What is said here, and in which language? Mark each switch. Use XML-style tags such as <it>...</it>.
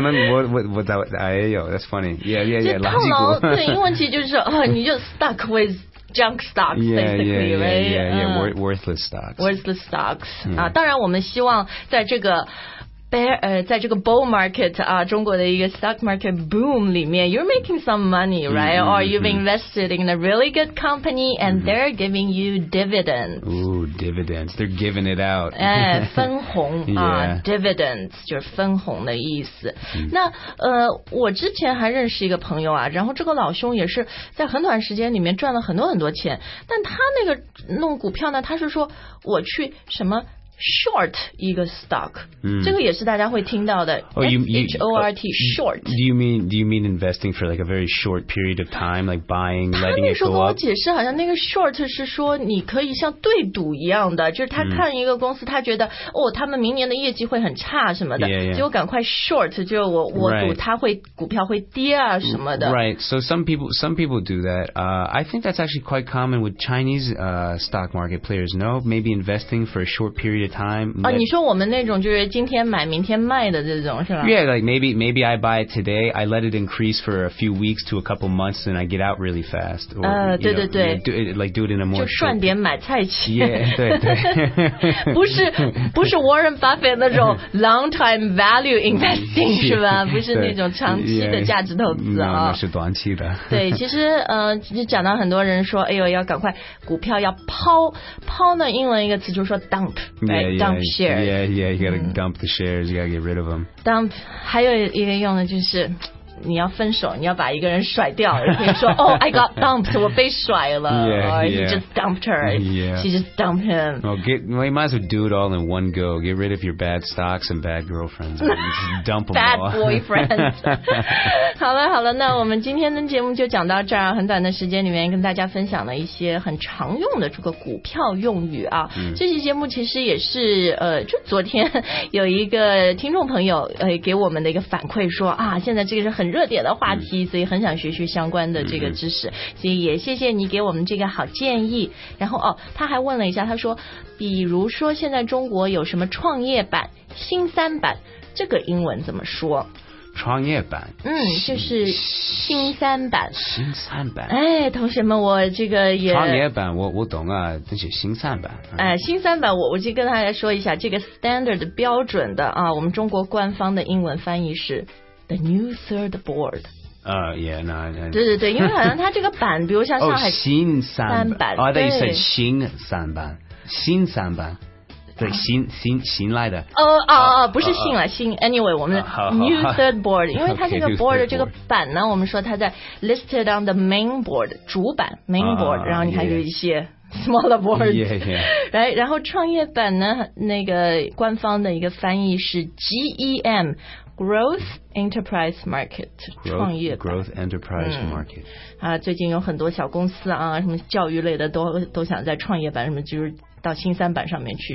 <zh>可能我，哎呦,</zh> <en>that's funny. Yeah, 垃圾股.</en> <zh>对，英文其实就是，你就</zh> <en>stuck with junk stocks, basically, right? Worthless stocks. Worthless stocks.</en> <zh>当然我们希望在这个 在这个 bull market 中国的一个 stock market boom 里面</zh> <en>you're making some money right</en> <zh>mm-hmm.</zh> <en>or you've invested in a really good company and mm-hmm. they're giving you dividends ooh dividends they're giving it out</en> <zh>分红 dividends 就是分红的意思 那我之前还认识一个朋友啊 然后这个老兄也是在很短时间里面赚了很多很多钱 但他那个弄股票呢 他是说我去什么 short 一个 stock 这个也是大家会听到的 H-O-R-T short</zh> <en>do you mean investing for like a very short period of time like buying letting it go up</en> <zh>他那时候跟我解释好像那个 short 是说你可以像对赌一样的 就是他看一个公司 他觉得哦他们明年的业绩会很差什么的 结果赶快 short 就我赌他会股票会跌啊什么的</zh> <en>right so some people do that I think that's actually quite common with Chinese stock market players no maybe investing for a short period of time</en> <zh>你说我们那种就是今天买明天卖的这种是吧</zh> <en>Yeah, like maybe I buy it today I let it increase for a few weeks to a couple months and I get out really fast</en> <zh>or, 对对对</zh> <en>like do it in a more</en> <zh>就赚点买菜钱</zh> <en>Yeah, 对</en> <zh>不是 Warren Buffett 那种</zh> <en>long time value investing</en> <zh>是吧 不是那种长期的价值投资是短期的对其实讲到很多人说 要赶快股票要抛呢 英文一个词就是说</zh> <en>dump dump shares. Yeah, you gotta dump the shares. You gotta get rid of them. Dump.</en> <zh>还有一个用的就是 你要分手 你要把一个人甩掉 你可以说</zh> <en>Oh, I got dumped</en> <zh>我被甩了</zh> <en>yeah, Or yeah. he just dumped her yeah. She just dumped him well, you might as well do it all in one go Get rid of your bad stocks and bad girlfriends Just dump them bad all Bad boyfriends</en> <zh>好了 那我们今天的节目就讲到这儿 很短的时间里面跟大家分享了一些很常用的这个股票用语 啊, 这期节目其实也是就昨天有一个听众朋友 给我们的一个反馈说 现在这个是 很热点的话题 所以很想学习相关的这个知识 所以也谢谢你给我们这个好建议 然后他还问了一下 他说比如说现在中国有什么创业板 新三板 这个英文怎么说创业板就是新三板同学们我这个也创业板我懂啊 这是新三板新三板我就跟大家说一下 这个standard标准的 我们中国官方的英文翻译是</zh> <en>The new third board. Yeah, no.</en> <zh>对对对，因为好像它这个板， 比如像上海</zh> <en>新三板。Oh, I thought you said 新三板。新三板。</en> <zh>对，新来的。不是新了，新。 Anyway， 我们 new third board， 因为它这个 board 这个板呢，我们说它在</zh> <en>listed on the main board</en> <zh>主板 main board， 然后你还有一些smaller board，</zh> <en>yeah, yeah.</en> <zh>来，然后创业板呢，那个官方的一个翻译是 GEM， Growth Enterprise Market，</zh> <en>growth,</en> <zh>创业板</zh> <en>Growth Enterprise Market、</en> <zh>嗯、啊，最近有很多小公司啊，什么教育类的都想在创业板，什么就是到新三板上面去、</zh>